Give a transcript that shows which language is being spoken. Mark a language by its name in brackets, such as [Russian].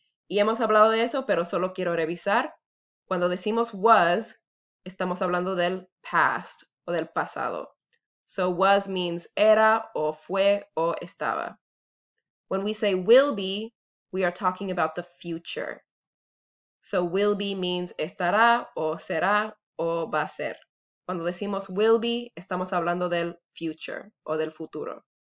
[Spanish] Y hemos hablado de eso, pero solo quiero revisar. Cuando decimos was, estamos hablando del past o del pasado. [English] So was means [Spanish] era o fue o estaba. [English] When we say will be, we are talking about the future. So will be means [Spanish] estará o será o va a ser. Cuando decimos will be, estamos hablando del future o del futuro.